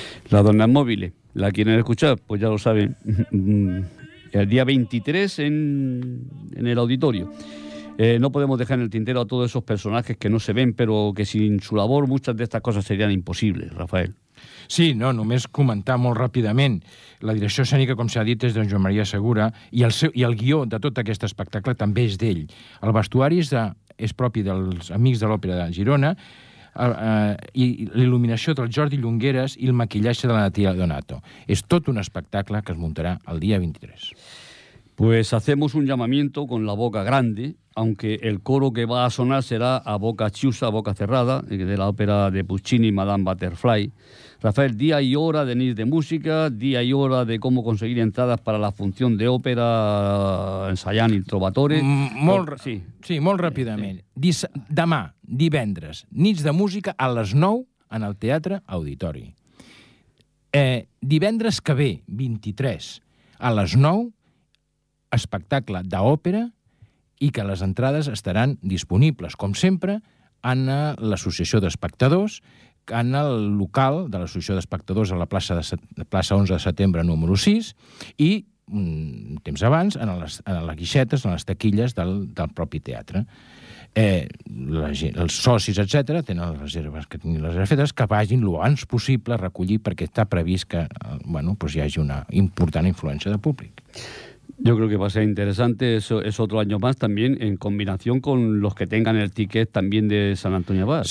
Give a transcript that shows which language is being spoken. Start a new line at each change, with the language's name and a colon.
Spanish: La donna è mobile, la quieren escuchar, pues ya lo saben, el día 23 en el auditorio. No podemos dejar en el tintero a todos esos personajes que no se ven, pero que sin su labor muchas de estas cosas serían imposibles, Rafael.
Catalan: Sí, no, només comentar molt ràpidament. La direcció escènica, com s'ha dit, és d'en Joan Maria Segura i el guió de tot aquest espectacle també és d'ell. El vestuari és propi dels Amics de l'Òpera de Girona i l'il·luminació del Jordi Llongueras i el maquillatge de la Natalia Donato. És tot un espectacle que es muntarà el dia 23.
Spanish: Pues hacemos un llamamiento con la boca grande, aunque el coro que va a sonar será a boca chiusa, a boca cerrada, de la ópera de Puccini, Madame Butterfly. Rafael, día y hora de Nis de Música, día y hora de cómo conseguir entradas para la función de ópera en Sallán y Trovatore.
Catalan: Molt ràpidament. Demà, divendres, Nis de Música a les 9 en el Teatre Auditori. Divendres que ve, 23, a les 9, espectacle d'òpera i que les entrades estaran disponibles, com sempre, en l'Associació d'Espectadors, en el local de l'Associació d'Espectadors a la plaça 11 de setembre número 6 i, temps abans, en les guixetes, en les taquilles del propi teatre. Els socis, etc., tenen les reserves que tinguin les fetes, que vagin el abans possible a recollir perquè està previst que hi hagi una important influència de públic.
Spanish: Yo creo que va a ser interesante, eso es otro año más también en combinación con los que tengan el ticket también de San Antonio Abad.